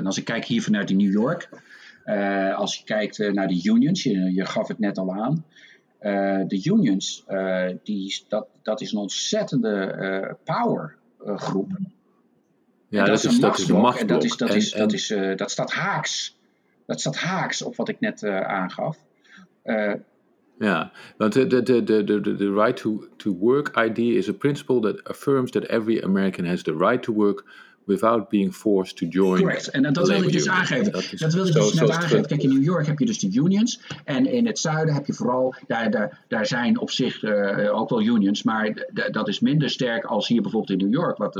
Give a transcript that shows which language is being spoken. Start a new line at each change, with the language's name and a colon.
Dutch: En als ik kijk hier vanuit New York, als je kijkt naar de unions, je gaf het net al aan. De unions, dat is een ontzettende powergroep. Ja, dat is een machtsblok. Dat staat haaks. Dat staat haaks op wat ik net aangaf. Ja, want de
English: right to work idea is a principle that affirms that every American has the right to work without being forced to join.
Dutch: Correct. En dat wil ik dus aangeven. Dat wil ik dus net aangeven. Kijk, in New York heb je dus de unions. En in het zuiden heb je vooral, daar zijn op zich ook wel unions. Maar dat is minder sterk als hier bijvoorbeeld in New York,